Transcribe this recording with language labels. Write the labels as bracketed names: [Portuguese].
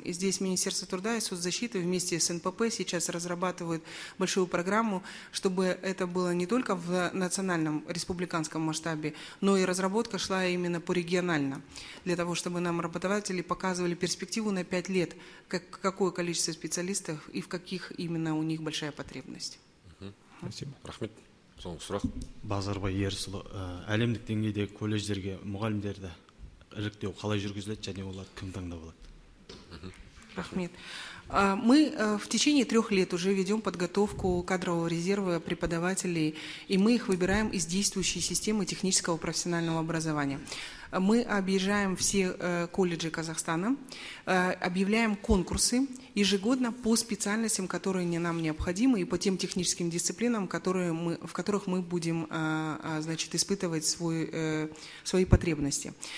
[Russian] И здесь Министерство труда и соцзащиты вместе с НПП сейчас разрабатывают большую программу, чтобы это было не только в национальном, республиканском масштабе, но и разработка шла именно по регионально, для того, чтобы нам работодатели показывали перспективу на 5 лет, какое количество специалистов и в каких именно у них большая потребность. Спасибо. [Kazakh] Рахмет. Соңғы сұрақ. Базарбай Ерсұлы, әлемдік деңгейде колледждерге мұғалімдерді іріктеу қалай жүргізіледі және олар кім таңдап алады? Рахмет. [Russian] Мы в течение 3 лет уже ведем подготовку кадрового резерва преподавателей, и мы их выбираем из действующей системы технического профессионального образования. Мы объезжаем все колледжи Казахстана, объявляем конкурсы ежегодно по специальностям, которые нам необходимы, и по тем техническим дисциплинам, в которых мы будем испытывать свои потребности.